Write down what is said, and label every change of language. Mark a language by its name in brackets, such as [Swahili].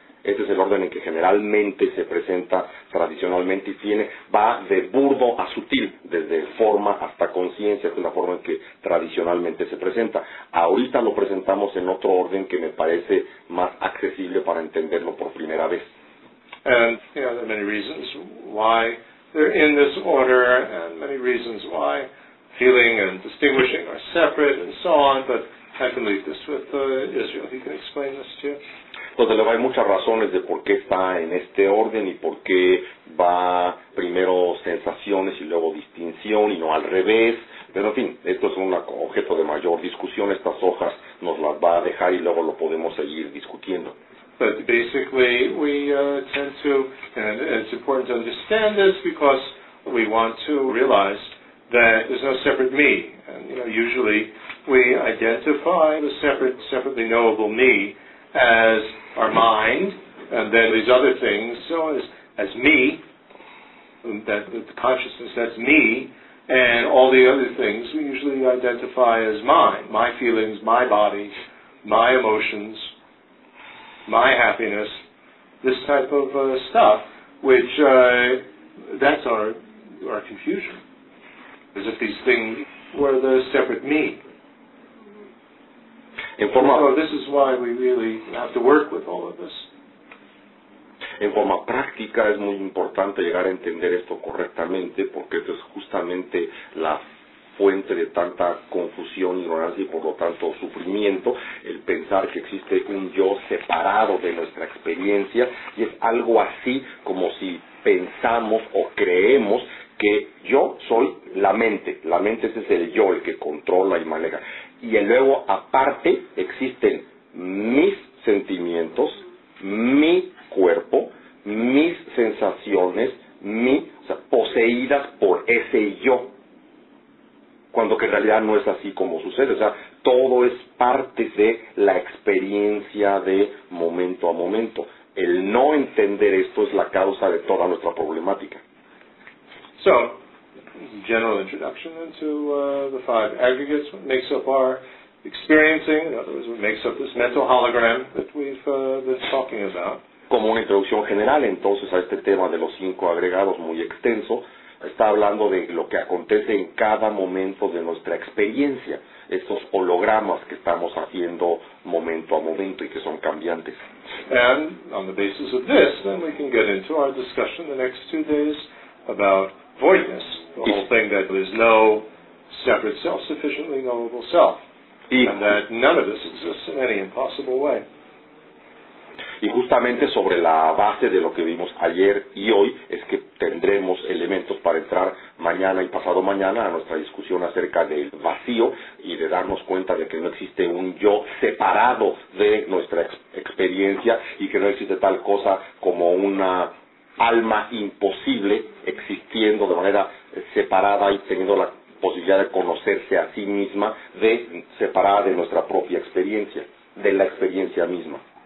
[Spanish] Este es el orden en que generalmente se presenta tradicionalmente y va de burdo a sutil, desde forma hasta conciencia, es la forma en que tradicionalmente se presenta. Ahorita lo presentamos en otro orden que me parece más accesible para entenderlo por primera vez. [English] And you know, there are many reasons why they're in this order and many reasons why feeling and distinguishing are separate and so on, but I can leave this with Israel. He can explain this to you. [Spanish] Entonces, hay muchas razones de por qué está en este orden y por qué va primero sensaciones y luego distinción y no al revés. Pero, en fin, esto es un objeto de mayor discusión. Estas hojas nos las va a dejar y luego lo podemos seguir discutiendo. [English] But basically, we tend to, and it's important to understand this because we want to realize that there's no separate me. And, you know, usually we identify the separately knowable me as our mind, and then these other things, so as as me, that the consciousness as me, and all the other things we usually identify as mine, my feelings, my body, my emotions, my happiness, this type of stuff, which that's our confusion. As if these things were the separate me. [Spanish] In forma, [English] so this is why we really have to work with all of this. [Spanish] En forma práctica es muy importante llegar a entender esto correctamente, porque esto es justamente la fuente de tanta confusión, ignorancia y por lo tanto sufrimiento, el pensar que existe un yo separado de nuestra experiencia, y es algo así como si pensamos o creemos que yo soy la mente ese es el yo, el que controla y maneja, y luego aparte existen mis sentimientos, mi cuerpo, mis sensaciones, poseídas por ese yo, cuando que en realidad no es así como sucede, o sea, todo es parte de la experiencia de momento a momento. El no entender esto es la causa de toda nuestra problemática. [English] So, general introduction into the five aggregates, what makes up our experiencing, in other words, what makes up this mental hologram that we've been talking about. [Spanish] Como una introducción general, entonces, a este tema de los cinco agregados muy extenso, está hablando de lo que acontece en cada momento de nuestra experiencia, estos hologramas que estamos haciendo momento a momento y que son cambiantes. [English] And on the basis of this, then we can get into our discussion the next 2 days about voidness, the whole thing that there's no separate self, sufficiently knowable self, and that none of this exists in any impossible way. [Spanish] Y justamente sobre la base de lo que vimos ayer y hoy es que tendremos elementos para entrar mañana y pasado mañana a nuestra discusión acerca del vacío y de darnos cuenta de que no existe un yo separado de nuestra experiencia y que no existe tal cosa como una alma imposible existiendo de manera separada y teniendo la posibilidad de conocerse a sí misma, de separada de nuestra propia experiencia, de la experiencia misma.